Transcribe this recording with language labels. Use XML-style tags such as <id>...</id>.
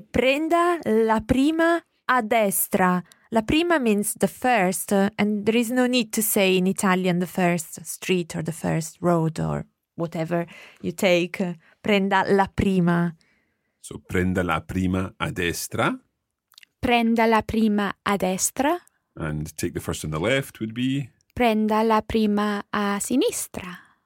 <it>Prenda la prima a destra.</it> <en>La prima means the first, and there is no need to say in Italian the first street or the first road or whatever you take.</en> <it>Prenda la prima. So prenda la prima a destra. Prenda la prima a destra.</it> <en>And take the first on the left would be?</en> <it>Prenda la prima a sinistra.</it>